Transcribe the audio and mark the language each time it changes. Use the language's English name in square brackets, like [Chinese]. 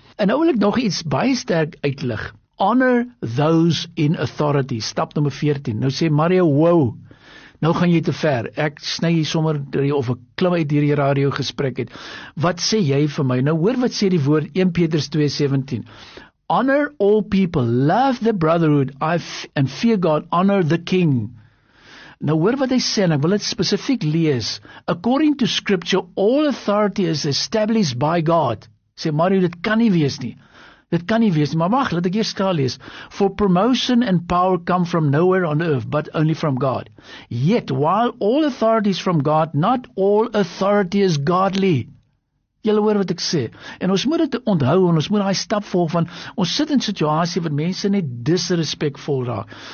[Afrikaans] En nou wil ek nog iets baie sterk uitlig. [English] Honor those in authority. [Afrikaans] Stap nummer 14. Nou sê Mario, wow, nou gaan jy te ver. Ek sny hier sommer of ek klim uit hier die radio gesprek het. Wat sê jy vir my? Nou hoor wat sê die woord 1 Petrus 2:17. [English] Honor all people, love the brotherhood, and fear God, honor the king. [Afrikaans] Nou hoor wat hy sê, en ek wil dit spesifiek lees. [English] According to scripture, all authority is established by God. [Afrikaans] Sê Mario, dit kan nie wees nie. Dit kan nie wees nie, maar wag, laat ek eers skaal lees. [English] For promotion and power come from nowhere on earth, but only from God. Yet, while all authority is from God, not all authority is godly. [Afrikaans] Julle hoor wat ek sê. En ons moet dit onthou en ons moet daai stap volg van ons sit in situasie wat mense net disrespekvol raak.